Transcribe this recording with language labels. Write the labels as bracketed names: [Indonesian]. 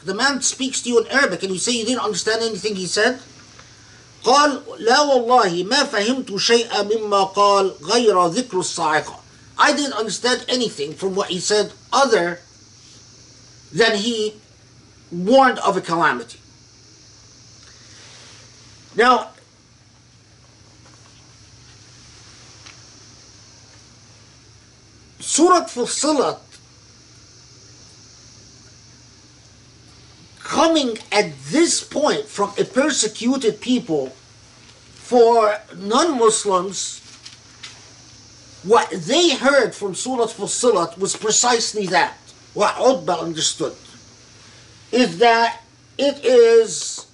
[English] The man speaks to you in Arabic and you say you didn't understand anything he said? [Arabic] قال لا والله ما فهمت شيئا مما قال غير ذكر الصاعقة. [English] I didn't understand anything from what he said other than he warned of a calamity. Now, Surah Fussilat coming at this point from a persecuted people, for non-Muslims, what they heard from Surah Fussilat was precisely that, what Utbah understood, is that it is,